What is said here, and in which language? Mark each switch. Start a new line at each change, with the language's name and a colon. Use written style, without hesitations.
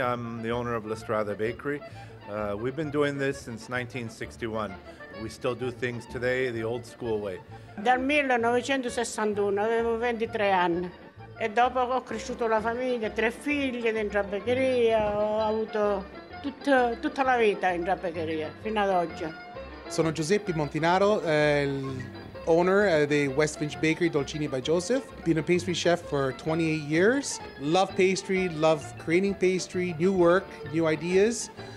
English: I'm the owner of La Strada Bakery. We've been doing this since 1961. We still do things today the old school way.
Italian: Dal 1961 avevo 23 anni. E dopo ho cresciuto la famiglia, tre figlie dentro la beccheria, ho avuto tutta la vita in la beccheria, fino ad oggi. Sono
English: Giuseppe Montinaro, owner of the West Finch Bakery, Dolcini by Joseph. Been a pastry chef for 28 years. Love pastry, love creating pastry, new work, new ideas.